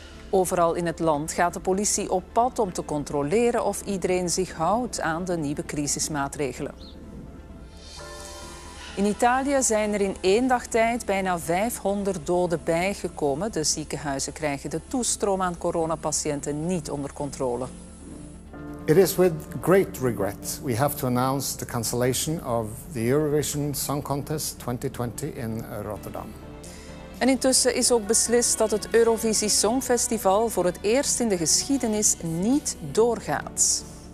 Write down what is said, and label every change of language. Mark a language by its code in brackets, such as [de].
[nl] Overal in het land gaat de politie op pad om te controleren of iedereen zich houdt aan de nieuwe crisismaatregelen. In Italië zijn er in één dag tijd bijna 500 doden bijgekomen. De ziekenhuizen krijgen de toestroom aan coronapatiënten niet onder controle. [en] It is with great regret we have to announce the cancellation of the Eurovision Song Contest 2020 in Rotterdam. [nl] En intussen is ook beslist dat het Eurovisie Songfestival voor het eerst in de geschiedenis niet doorgaat.